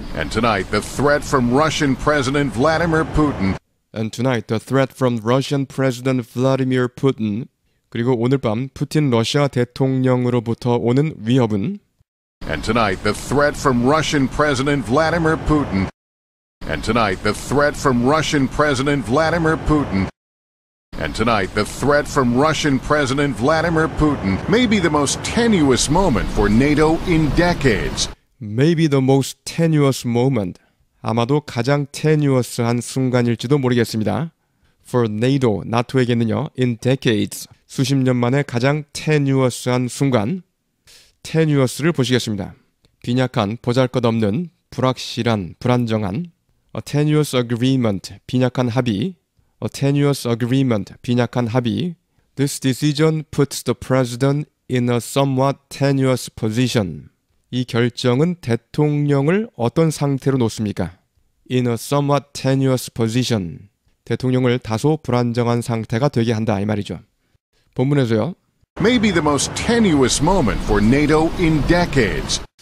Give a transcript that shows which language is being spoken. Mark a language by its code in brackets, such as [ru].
[en] And tonight, the threat from Russian President Vladimir Putin. And tonight, the threat from Russian President Vladimir Putin. [ko] 그리고 오늘 밤 푸틴 러시아 대통령으로부터 오는 위협은. [en] And tonight, the threat from Russian President Vladimir Putin. And tonight, the threat from Russian President Vladimir Putin. And tonight, the threat from Russian President Vladimir Putin may be the most tenuous moment for NATO in decades. Maybe the most tenuous moment. [ko] 아마도 가장 tenuous한 순간일지도 모르겠습니다. [en] For NATO, [ko] NATO에게는요, [en] in decades, [ko] 수십 년 만에 가장 tenuous한 순간. Tenuous를 보시겠습니다. 빈약한, 보잘것없는, 불확실한, 불안정한. [en] A tenuous agreement, [ko] 빈약한 합의. [en] A tenuous agreement, 빈약한 합의. This decision puts the president in a somewhat tenuous position. [ko] 이 결정은 대통령을 어떤 상태로 놓습니까? [en] In a somewhat tenuous position. [ko] 대통령을 다소 불안정한 상태가 되게 한다, 이 말이죠. 본문에서요. [en] Maybe the most tenuous moment for NATO in decades.